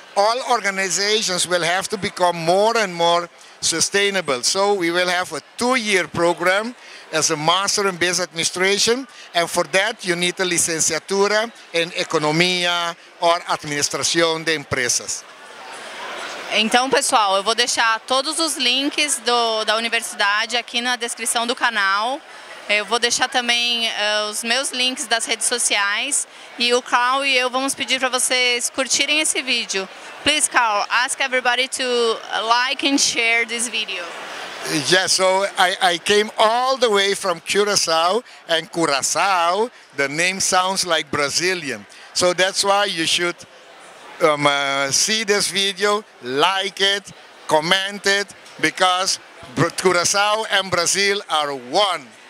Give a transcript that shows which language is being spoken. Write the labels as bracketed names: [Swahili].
[English] All organizations will have to become more and more sustainable. So we will have a 2-year program as a master in business administration, and for that you need a licenciatura in economia or administración de empresas. [Portuguese] Então, pessoal, eu vou deixar todos os links da universidade aqui na descrição do canal. Eu vou deixar também os meus links das redes sociais. E o Carl e eu vamos pedir para vocês curtirem esse vídeo. [English] Please, Carl, ask everybody to like and share this video. Yes, so I came all the way from Curaçao, and Curaçao, the name sounds like Brazilian. So that's why you should see this video, like it, comment it, because Curaçao and Brazil are one.